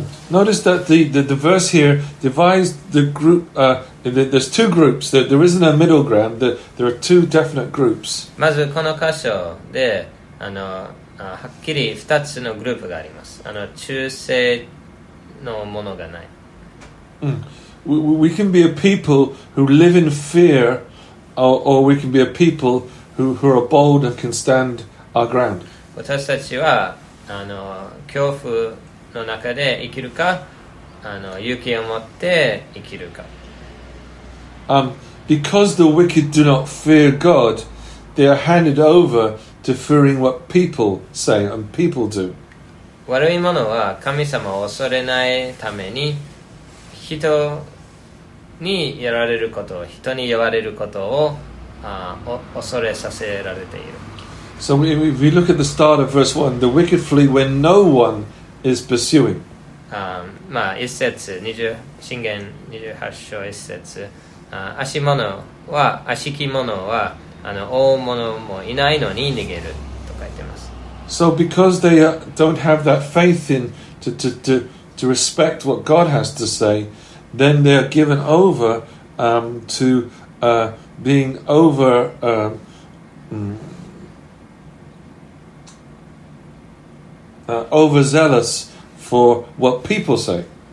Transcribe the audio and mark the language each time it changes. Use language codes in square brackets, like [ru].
[en] Notice that the verse here divides the group, there's two groups, there isn't a middle ground, there are two definite groups. [ja] まずこの箇所ではっきり2つのグループがあります。中性のものがない。 [en] We can be a people who live in fear, or we can be a people who are bold and can stand our ground. [ja] 私たちは恐怖の中で生きるか、勇気を持って生きるか。 [en] Because the wicked do not fear God, they are handed over to fearing what people say and people do. [ja] 悪い者は神様を恐れないために人にやられること、人に言われることを恐れさせられている。 [en] So if we look at the start of verse 1, the wicked flee when no one is pursuing. [ja] 箴言28章1節、足き者は大物もいないのに逃げると書いてます。 [en] So because they don't have that faith in to respect what God has to say,then they are given over to being over overzealous for what people say.